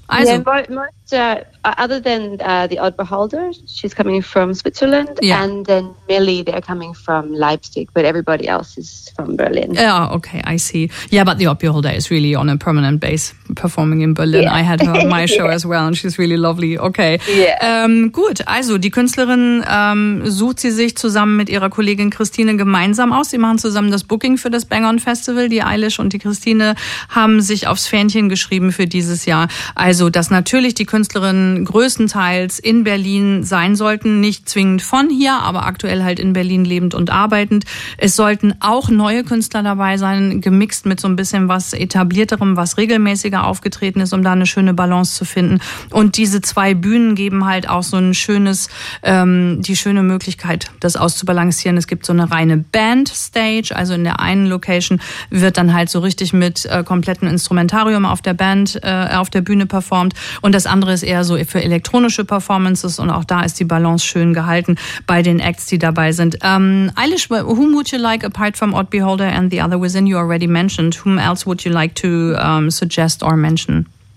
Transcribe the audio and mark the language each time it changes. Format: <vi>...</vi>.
<en>Also, yeah, other than the Odd Beholder, she's coming from Switzerland, and then Millie, they're coming from Leipzig, but everybody else is from Berlin. Oh, okay, I see. Yeah, but the Odd Beholder is really on a permanent base performing in Berlin. Yeah. I had her on my show as well, and she's really lovely. Okay. Yeah.</en> <de>Gut, also die Künstlerin sucht sie sich zusammen mit ihrer Kollegin Christine gemeinsam aus. Sie machen zusammen das Booking für das Bang On Festival. Die Eilish und die Christine haben sich aufs Fähnchen geschrieben für dieses Jahr. Also, dass natürlich die Künstlerin größtenteils in Berlin sein sollten, nicht zwingend von hier, aber aktuell halt in Berlin lebend und arbeitend. Es sollten auch neue Künstler dabei sein, gemixt mit so ein bisschen was Etablierterem, was regelmäßiger aufgetreten ist, um da eine schöne Balance zu finden. Und diese 2 Bühnen geben halt auch so ein schönes, die schöne Möglichkeit, das auszubalancieren. Es gibt so eine reine Band-Stage, also in der einen Location wird dann halt so richtig mit komplettem Instrumentarium auf der Band, auf der Bühne performt. Und das andere ist eher so für elektronische Performances und auch da ist die Balance schön gehalten bei den Acts, die dabei sind.</de> <en>Eilish, whom would you like apart from Odd Beholder and the other within you already mentioned? Whom else would you like to suggest or mention?</en>